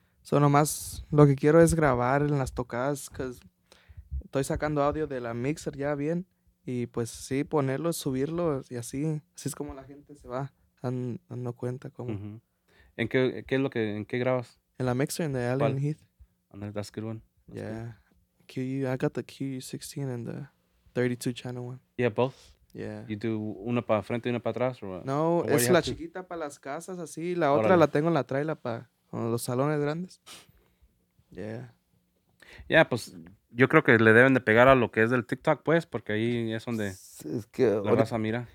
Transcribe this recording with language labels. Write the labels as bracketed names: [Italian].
[Spanish] So nomás lo que quiero es grabar en las tocadas, cause estoy sacando audio de la mixer ya bien. Y pues sí, ponerlo, subirlo y así. Así es como la gente se va dando cuenta. Como. Uh-huh. ¿En qué es lo que, en qué grabas? En la mixer, en the Alien. ¿Cuál? Heath. [English] And that's a good one. That's, yeah, good. I got the Q16 and the 32 channel one. Yeah, both? Yeah. You do [Spanish] una para frente y una para atrás? Or, no, es la chiquita para las casas, así. La otra, right, la tengo en la trailer para los salones grandes. [English] Yeah. [Spanish] Yeah, pues... Yo creo que le deben de pegar a lo que es del TikTok, pues, porque ahí es donde es que, la raza mira.